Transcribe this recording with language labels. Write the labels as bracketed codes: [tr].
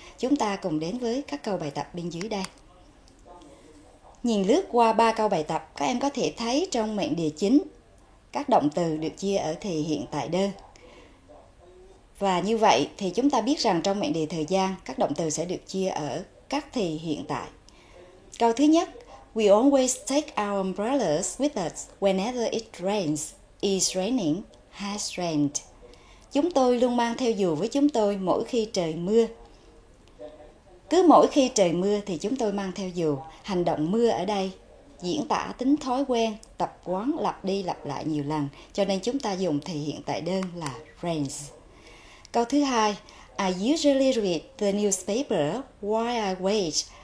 [vi] Chúng ta cùng đến với các câu bài tập bên dưới đây. Nhìn lướt qua ba câu bài tập, các em có thể thấy trong mệnh đề chính các động từ được chia ở thì hiện tại đơn. Và như vậy thì chúng ta biết rằng trong mệnh đề thời gian các động từ sẽ được chia ở các thì hiện tại. Câu thứ nhất, [en] we always take our umbrellas with us whenever it rains, is raining, has rained. [vi] Chúng tôi luôn mang theo dù với chúng tôi mỗi khi trời mưa. Cứ mỗi khi trời mưa thì chúng tôi mang theo dù. Hành động mưa ở đây diễn tả tính thói quen, tập quán lặp đi lặp lại nhiều lần. Cho nên chúng ta dùng thì hiện tại đơn là rains. Câu thứ hai, [en] I usually read the newspaper while I wait.